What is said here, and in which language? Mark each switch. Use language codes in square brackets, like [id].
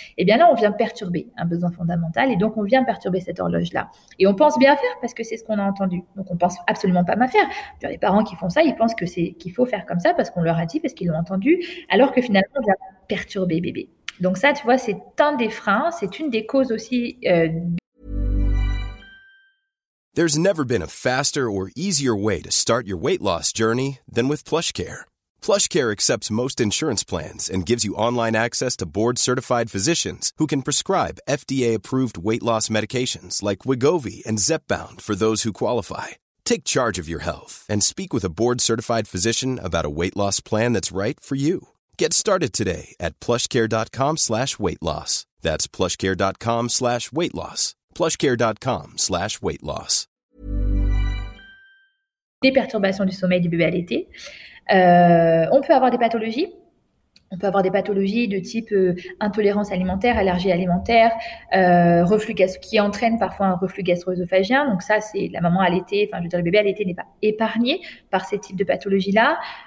[fr] Et bien là, on vient perturber un besoin fondamental et donc on vient perturber cette horloge-là. Et on pense bien faire parce que c'est ce qu'on a entendu. Donc on pense absolument pas mal faire. Genre, les parents qui font ça, ils pensent que c'est qu'il faut faire comme ça parce qu'on leur a dit, parce qu'ils l'ont entendu, alors que finalement, on vient perturber bébé. Donc ça, tu vois, c'est un des freins, c'est une des causes aussi. [en] There's never been a faster or easier way to start your weight loss journey than with PlushCare. PlushCare accepts most insurance plans and gives you online access to board-certified physicians who can prescribe FDA-approved weight loss medications like Wegovy and Zepbound for those who qualify. Take charge of your health and speak with a board-certified physician about a weight loss plan that's right for you. Get started today at PlushCare.com/weightloss. That's PlushCare.com/weightloss. PlushCare.com/weightloss. [fr] Des perturbations du sommeil du bébé allaité. On peut avoir des pathologies. On peut avoir des pathologies de type intolérance alimentaire, allergie alimentaire, reflux qui entraîne parfois un reflux gastro-œsophagien. Donc ça, c'est la maman allaitée, enfin je veux dire le bébé allaité n'est pas épargné par ces types de pathologies-là.